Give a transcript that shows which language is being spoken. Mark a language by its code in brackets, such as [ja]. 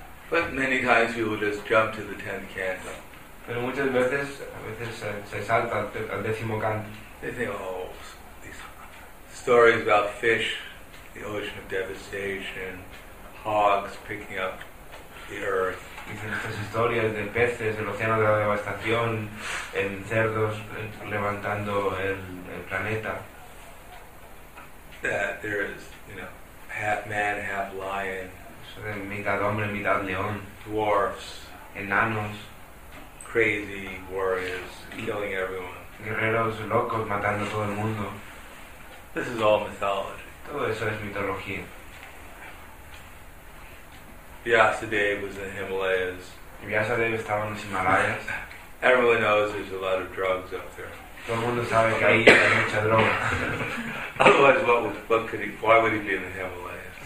[en] But many times people just jump to the 10th canto. [es] Pero muchas veces se salta al 10º canto. [en] They think, "Oh, these stories about fish, the ocean of devastation, hogs picking up the earth." [es] Dicen estas historias de peces, el océano de la devastación, en cerdos levantando el planeta. [en] That there is, you know, half man, half lion. [es] Mitad hombre, mitad león. [en] Dwarfs. [es] Enanos. [en] Crazy warriors killing everyone. [es] Guerreros locos matando a todo el mundo. [en] This is all mythology. [es] Todo eso es mitología. [en] Vyasadeva was in the Himalayas. [es] Vyasadeva estaba en los Himalayas. [en] Everyone knows there's a lot of drugs up there. [es] Todo el mundo sabe que ahí hay mucha droga. [en] Otherwise, why would he be in the Himalayas?